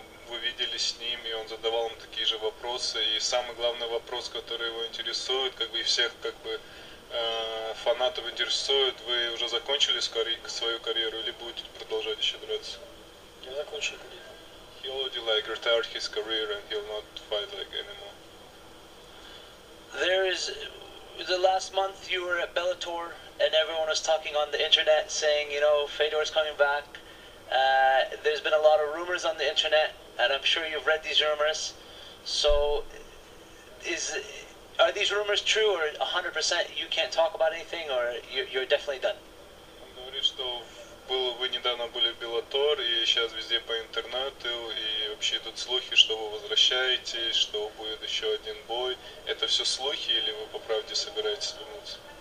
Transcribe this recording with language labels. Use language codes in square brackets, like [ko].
[ru] Ви видели с ним, и он задавал им такие же вопросы. И самый главный вопрос, который его интересует, как бы и всех как бы фанатов интересует, вы уже закончили свою карьеру или будете продолжать еще драться? Я закончил карьеру. [en] He already like retired his career and he'll not fight like anymore. There is the last month you were at Bellator and everyone was talking on the internet saying, you know, Fedor is coming back. There's been a lot of rumors on the internet, and I'm sure you've read these rumors. So, are these rumors true, or 100% you can't talk about anything, or you're definitely done? [ru] Он говорит, что вы недавно были в Bellator, и сейчас везде по интернету, и вообще тут слухи, что вы возвращаетесь, что будет еще один бой. Это все слухи, или вы по правде собираетесь вернуться?